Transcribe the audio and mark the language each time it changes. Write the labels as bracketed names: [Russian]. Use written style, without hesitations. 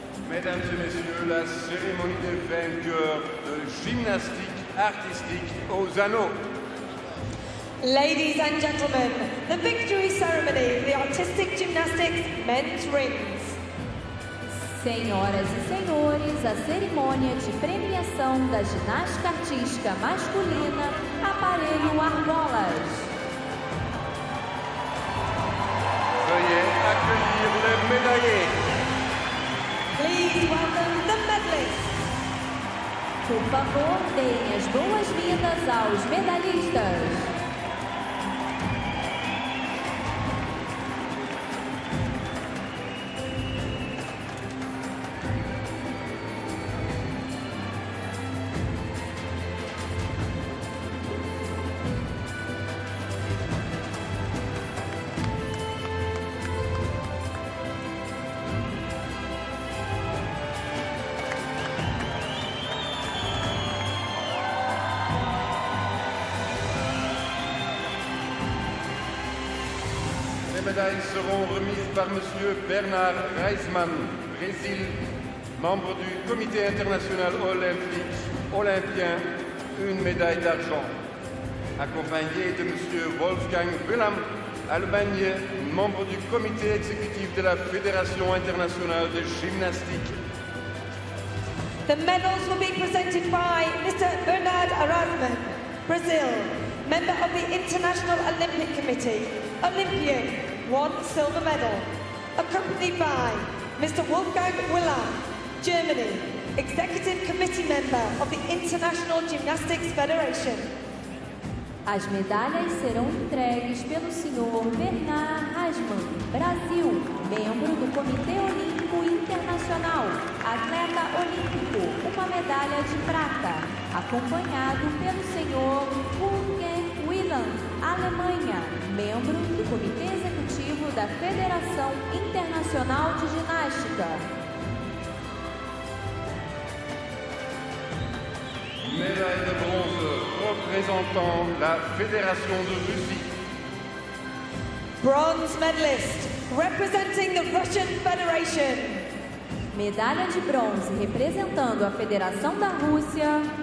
[French] Mesdames et messieurs, la cérémonie des vainqueurs de gymnastique artistique aux anneaux. [English] Ladies and gentlemen, the victory ceremony of the artistic gymnastics men's rings. [Portuguese] Senhoras e senhores, a cerimônia de premiação da ginástica artística masculina, aparelho argolas. [French] Veuillez accueillir les médaillés. [English] Please welcome the medalists. [Portuguese] Por favor, deem as boas-vindas aos medalhistas. [French] Seront remises par Monsieur Bernard Reisman, Brésil, membre du Comité international olympique olympien, une médaille d'argent, accompagné de Monsieur Wolfgang Willem, Allemagne, membre du Comité exécutif de la Fédération internationale de gymnastique. [English] The medals will be presented by Mr. Bernard Reisman, Brazil, member of the International Olympic Committee, Olympian. One silver medal, accompanied by Mr. Wolfgang Willer, Germany, Executive Committee Member of the International Gymnastics Federation. [Portuguese] As medalhas serão entregues pelo Sr. Bernard Reisman, Brasil, membro do Comitê Olímpico Internacional, atleta olímpico, uma medalha de prata, acompanhado pelo Sr. Wolfgang Willer, Alemanha, membro do Comitê da Federação Internacional de Ginástica. [French] Médaille de bronze représentant la Fédération de Russie. [English] Bronze medalist representing the Russian Federation. [Portuguese] Medalha de bronze representando a Federação da Rússia.